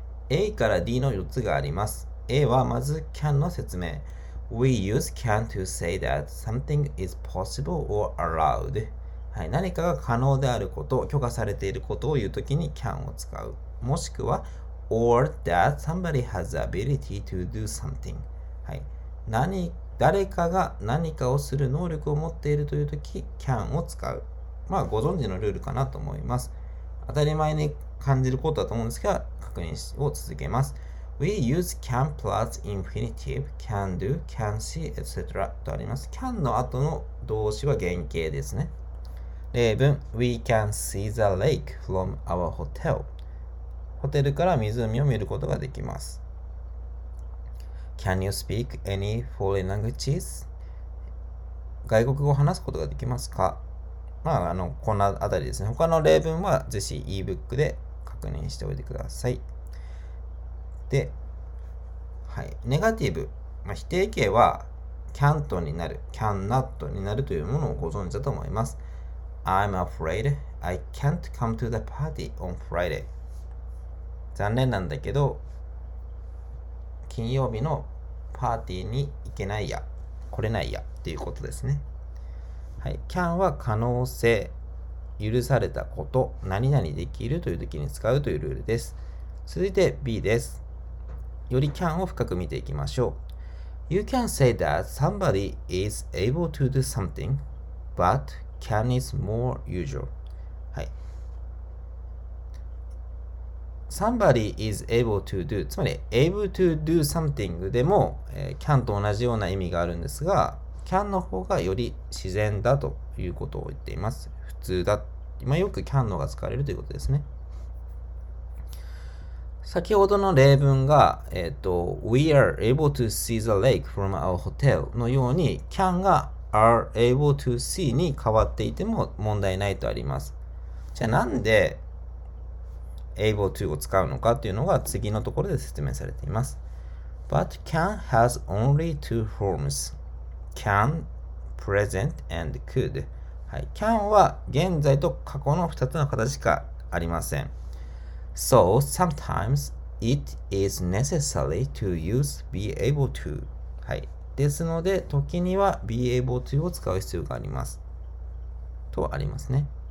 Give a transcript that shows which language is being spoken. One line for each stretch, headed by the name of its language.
Japanese: A から D の4つがあります。 A はまず Can の説明。
English: We use can to say that something is possible or allowed。
Japanese: はい、何かが可能であること、許可されていることを言うときに can を使う。もしくは
English: Or that somebody has the ability to do something。
Japanese: はい、誰かが何かをする能力を持っているというとき、can を使う。まあ、ご存知のルールかなと思います。当たり前に感じることだと思うんですが、確認を続けます。
English: We use can plus infinitive, can do, can see, etc.
Japanese: とあります。 can の後の動詞は原形ですね。例文、
English: We can see the lake from our hotel。
Japanese: ホテルから湖を見ることができます。
English: Can you speak any foreign languages?
Japanese: 外国語を話すことができますか？まあ、こんなあたりですね。他の例文は、ぜひ ebook で確認しておいてください。で、はい。ネガティブ。まあ、否定形は、can't になる、can not になるというものをご存知だと思います。
English: I'm afraid I can't come to the party on Friday.
Japanese: 残念なんだけど、金曜日のパーティーに行けないや、来れないやっていうことですね。はい、can は可能性、許されたこと、何々できるという時に使うというルールです。続いて B です。より can を深く見ていきましょう。
English: You can say that somebody is able to do something, but can is more usual. Somebody is able to do、
Japanese: つまり
English: able to do something
Japanese: でも、can と同じような意味があるんですが、 can の方がより自然だということを言っています。普通だ、まあ、よく can の方が使われるということですね。先ほどの例文が、
English: We are able to see the lake from our hotel
Japanese: のように、 can が are able to see に変わっていても問題ないとあります。じゃあなんで able to を使うのかっていうのが次のところで説明されています。
English: But can has only two forms, can, present and could。
Japanese: はい、can は現在と過去の2つの形しかありません。
English: So sometimes it is necessary to use be able to。
Japanese: はい、ですので時には be able to を使う必要がありますとありますね。